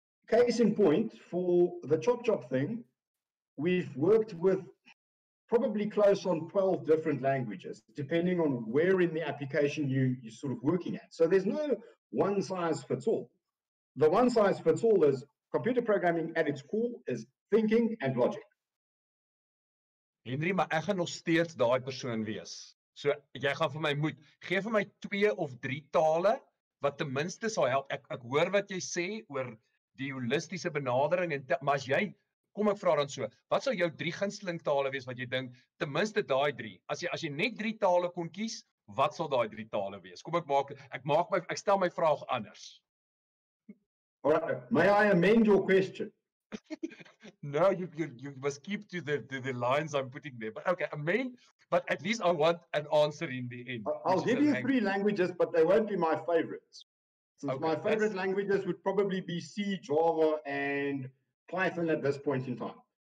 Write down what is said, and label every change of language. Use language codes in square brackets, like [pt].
[en] Case in point, for the chop chop thing, we've worked with probably close on 12 different languages, depending on where in the application you're sort of working at. So there's no one size fits all. The one size fits all is computer programming at its core is thinking and logic. [af] Henri, maar ek gaan nog steeds daai persoon wees. So jy gaan vir my moet gee vir my 2 of 3 tale wat ten minste sal help. Ek hoor wat jy sê oor die holistiese benadering en maar as jy kom ek vra dan so, wat sou jou 3 gunsteling tale wees wat jy dink ten minste daai 3? As jy net 3 tale kon kies, wat sal daai 3 tale wees? Kom ek stel my vraag anders. [en] Alright, may I amend your question? No, you must keep to the lines I'm putting there. But okay, amend, but at least I want an answer in the end. I'll give you 3 languages, but they won't be my favorites. Since okay, my favorite languages would probably be C, Java, and Python at this point in time.